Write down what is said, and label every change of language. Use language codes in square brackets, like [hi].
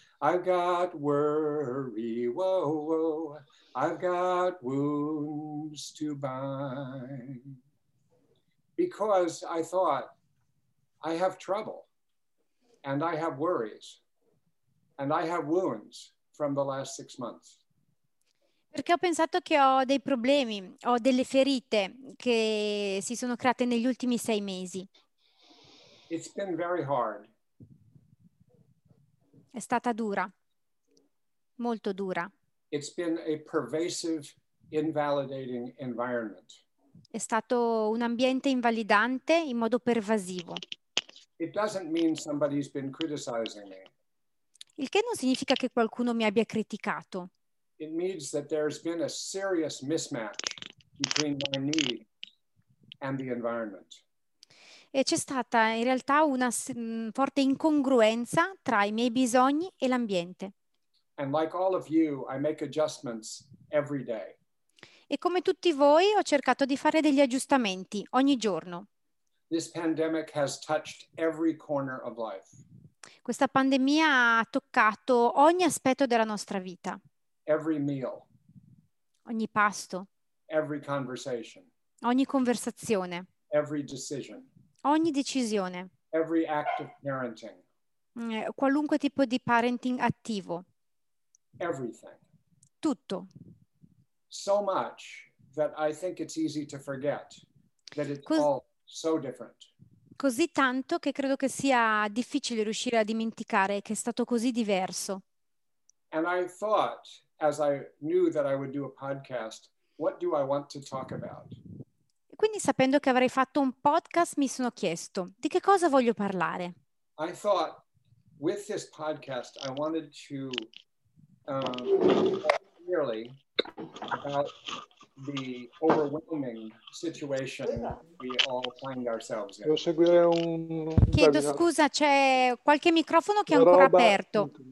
[en] I've got worry. Whoa, whoa. I've got wounds to bind. Because I thought, I have trouble. And I have worries. And I have wounds from the last 6 months. [it] Perché ho pensato che ho dei problemi, ho delle ferite che si sono create negli ultimi 6 mesi. [en] It's been very hard. [it] È stata dura, molto dura. [en] It's been a pervasive, invalidating environment. [it] È stato un ambiente invalidante in modo pervasivo. [en] It doesn't mean somebody's been criticizing me. [it] Il che non significa che qualcuno mi abbia criticato. [en] It means that there's been a serious mismatch between my need and the environment. [it] E c'è stata in realtà una forte incongruenza tra I miei bisogni e l'ambiente. [en] And like all of you, I make adjustments every day. [it] E come tutti voi, ho cercato di fare degli aggiustamenti ogni giorno. [en] This pandemic has touched every corner of life. [it] Questa pandemia ha toccato ogni aspetto della nostra vita. [en] Every meal, [it] ogni pasto, [en] every conversation, [it] ogni conversazione, [en] every decision, [it] ogni decisione, [en] every act of parenting, [it] qualunque tipo di parenting attivo, [en] everything, [it] tutto. [en] so much that I think it's easy to forget that it's all so different. [it] Così tanto che credo che sia difficile riuscire a dimenticare che è stato così diverso. [en] And I thought, as I knew that I would do a podcast, what do I want to talk about? [it] Quindi sapendo che avrei fatto un podcast mi sono chiesto di che cosa voglio parlare. [en] I thought with this podcast I wanted to talk clearly about the overwhelming situation we all find ourselves in. [it] Chiedo scusa, c'è qualche microfono che è ancora aperto.